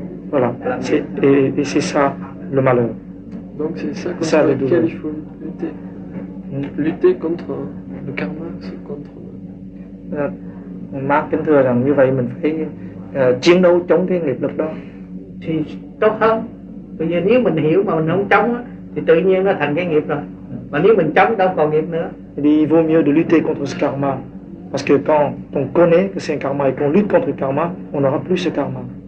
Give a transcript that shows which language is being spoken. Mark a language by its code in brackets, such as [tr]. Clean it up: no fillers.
[fr] Voilà, et c'est ça le malheur. Donc c'est ça contre lequel il faut lutter. Lutter contre le karma, c'est contre le... [vi] Marc, kính thưa rằng như vậy mình phải chiến đấu chống cái nghiệp lực đó. Thì tốt hơn. Bây giờ nếu mình hiểu mà mình không chống thì tự nhiên nó thành cái nghiệp rồi. Mà nếu mình chống đâu còn nghiệp nữa. [fr] Il vaut mieux de lutter contre ce karma. Parce que quand on connaît que c'est un karma et qu'on lutte contre le karma, on n'aura plus ce karma.